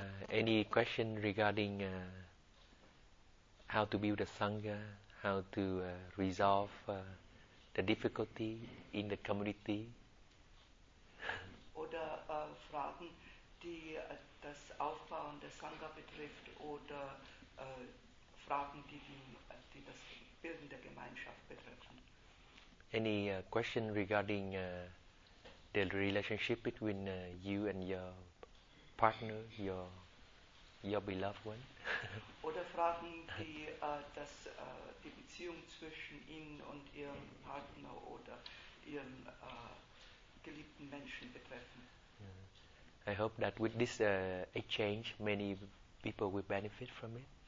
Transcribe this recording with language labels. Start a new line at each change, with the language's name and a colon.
English: Any question regarding how to build a sangha, how to resolve the difficulty in the community?
German: Oder Fragen, die das Aufbauen der Sangha betrifft oder Fragen, die das Bilden der Gemeinschaft betreffen.
English: Any question regarding the relationship between you and your partner, your beloved one?
German: Oder Fragen, die die Beziehung zwischen Ihnen und Ihrem Partner oder Ihrem geliebten Menschen betreffen.
English: I hope that with this exchange, many people will benefit from it.